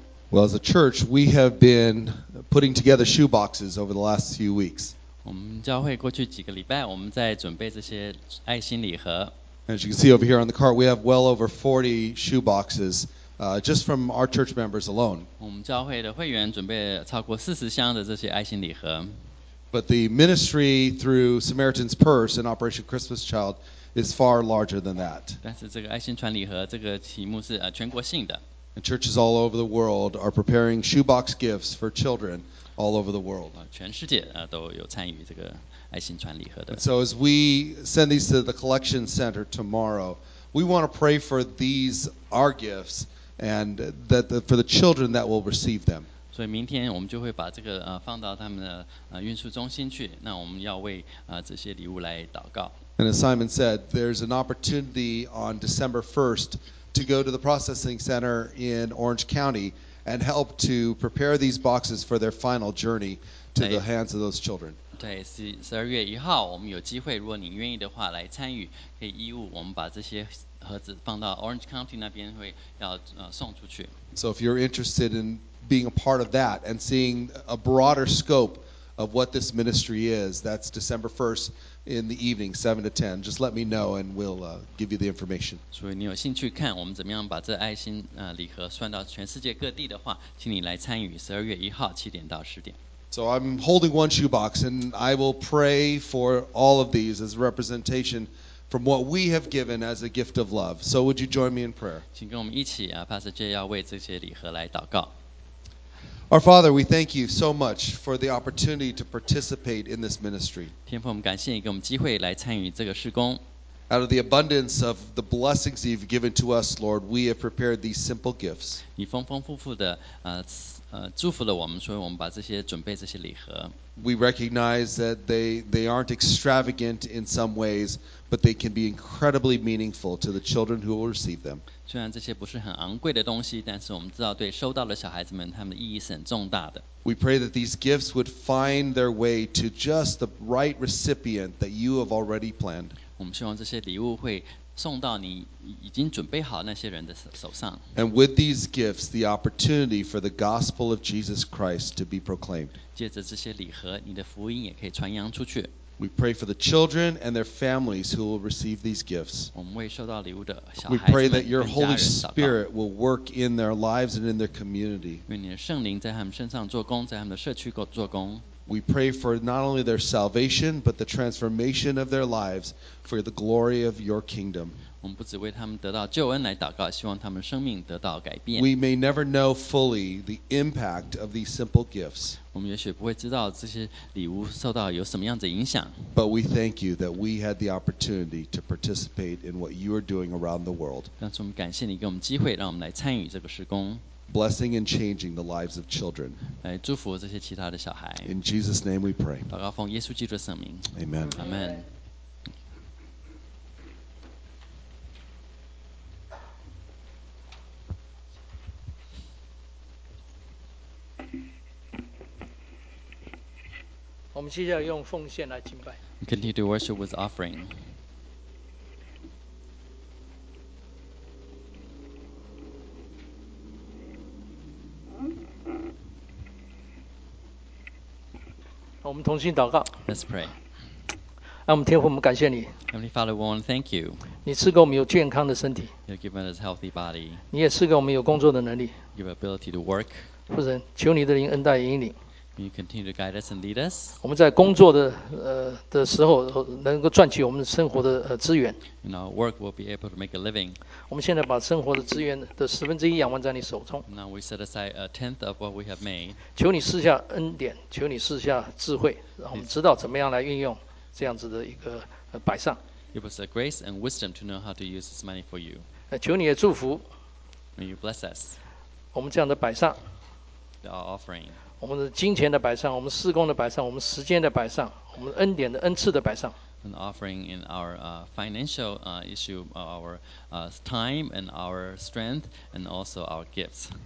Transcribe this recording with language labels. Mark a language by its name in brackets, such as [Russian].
[English] Well, as a church, we have been putting together shoeboxes over the last few weeks. [Chinese] 我们教会过去几个礼拜，我们在准备这些爱心礼盒。 [English] As you can see over here on the cart, we have well over 40 shoe boxes, just from our church members alone. [Chinese] 我们教会的会员准备超过40箱的这些爱心礼盒。 [English] But the ministry through Samaritan's Purse and Operation Christmas Child is far larger than that. [Chinese] 但是这个爱心传礼盒这个题目是全国性的。 [English] And churches all over the world are preparing shoebox gifts for children all over the world. [Chinese] 全世界都有参与这个爱心传礼盒的。 [English] So as we send these to the collection center tomorrow, we want to pray for these, our gifts, and that for the children that will receive them. [Chinese] 所以明天我们就会把这个放到他们的运输中心去，那我们要为这些礼物来祷告。 [English] And as Simon said, there's an opportunity on December 1st to go to the processing center in Orange County and help to prepare these boxes for their final journey to the hands of those children. [Chinese] 对，是12月1号，我们有机会，如果你愿意的话来参与，可以义务我们把这些盒子放到 Orange County 那边会要送出去。 [English] So if you're interested in being a part of that and seeing a broader scope of what this ministry is, that's December 1st. In the evening, 7 to 10. Just let me know and we'll give you the information. So, if you're interested in seeing how we can put this love box around the world, please come to the meeting on 12 April, 7 to 10. So, I'm holding one shoebox and I will pray for all of these as a representation from what we have given as a gift of love. So, would you join me in prayer? Please join us, Pastor Jay, to pray for these boxes. Our Father, we thank you so much for the opportunity to participate in this ministry. [Chinese] 天父，我们感谢你给我们机会来参与这个事工。 [English] Out of the abundance of the blessings you've given to us, Lord, we have prepared these simple gifts. [Chinese] 你丰丰富富的祝福了我们，所以我们把这些准备这些礼盒。 [English] We recognize that they aren't extravagant in some ways, but they can be incredibly meaningful to the children who will receive them. [Chinese] 虽然这些不是很昂贵的东西，但是我们知道对收到的小孩子们，他们的意义是很重大的。 [English] We pray that these gifts would find their way to just the right recipient that you have already planned. [Chinese] 我们希望这些礼物会送到你已经准备好那些人的手上。 [English] And with these gifts, the opportunity for the gospel of Jesus Christ to be proclaimed. [Chinese] 借着这些礼盒，你的福音也可以传扬出去。 [English] We pray for the children and their families who will receive these gifts. [Chinese] 我们为收到礼物的小孩子们跟家人祷告。 [English] We pray that your Holy Spirit will work in their lives and in their community. [Chinese] 愿你的圣灵在他们身上做工，在他们的社区做工。 [English] We pray for not only their salvation, but the transformation of their lives for the glory of your kingdom. [Chinese] 我们不只为他们得到救恩来祷告，希望他们生命得到改变。 [English] We may never know fully the impact of these simple gifts. [Chinese] 我们也许不会知道这些礼物受到有什么样子影响。 [English] But we thank you that we had the opportunity to participate in what you are doing around the world. [Chinese] 但是我们感谢你给我们机会，让我们来参与这个事工。 [English] Blessing and changing the lives of children. [Chinese] 来祝福这些其他的小孩。 [English] In Jesus' name we pray. [Chinese] 祷告奉耶稣基督的圣名。 [English] Amen. Amen. Continue to worship with offering. [Chinese] 我们同心祷告。 [English] Let's pray. [Chinese] 让我们天父，我们感谢你。 [English] Heavenly Father, we want to thank you. [Chinese] 你赐给我们有健康的身体。 [English] You give us a healthy body. [Chinese] 你也赐给我们有工作的能力。 [English] Give ability to work. [Chinese] 父神，求你的灵恩待引领。 [English] May you continue to guide us and lead us. [Chinese] 我们在工作的时候，能够赚取我们生活的资源。 [English] In our work, we'll be able to make a living. [Chinese] 我们现在把生活的资源的十分之一仰望在你手中。 [English] Now we set aside a tenth of what we have made. [Chinese] 求你赐下恩典，求你赐下智慧，让我们知道怎么样来运用这样子的一个摆上。 [English] Give us the grace and wisdom to know how to use this money for you. [Chinese] 求你也祝福。 [English] May you bless us. [Chinese] 我们这样的摆上。 [English] Our offering. [Chinese] 我们的金钱的摆上，我们事工的摆上，我们时间的摆上，我们恩典的恩赐的摆上。 [English] An offering in our financial issue, our time and our strength, and also our gifts.